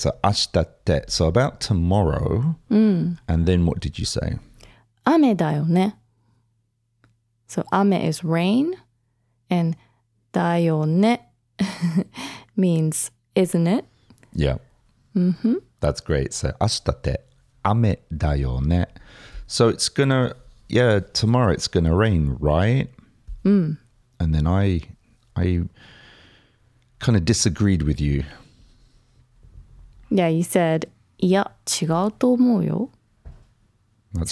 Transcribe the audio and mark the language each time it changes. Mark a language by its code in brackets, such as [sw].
[en] So [ja] 明日って. [en] So about tomorrow. And then what did you say? [ja] 雨だよね。 [en] So, 雨 is rain, and だよね means, isn't it? Yeah. Mm-hmm. That's great. [ja] So, 明日って雨だよね. [en] So, it's gonna, yeah, tomorrow it's gonna rain, right? And then I kind of disagreed with you. Yeah, you said, [ja] いや、違うと思うよ. [en] That's